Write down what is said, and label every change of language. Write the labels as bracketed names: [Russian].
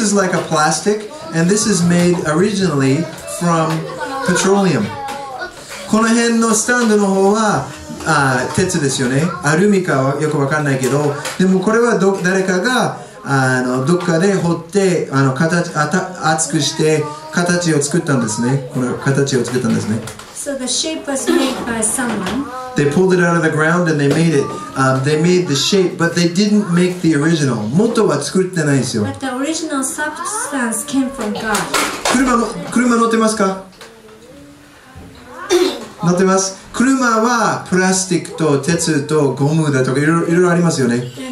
[English] is like a plastic, and this is made originally from... Petroleum. [Japanese] この辺のスタンドの方は鉄ですよね。アルミかはよくわかんないけど、でもこれは誰かがどっかで掘って厚くして形を作ったんですね。この形を作ったんですね。 [English] So the shape was made by someone. They pulled it out of the ground and they made it.、They made the shape, but they didn't make the original. [Japanese] 元は作ってないですよ。 [English] But the original substance came from God. [Japanese] 車乗ってますか？乗ってます。車はプラスチックと鉄とゴムだとかいろいろありますよね。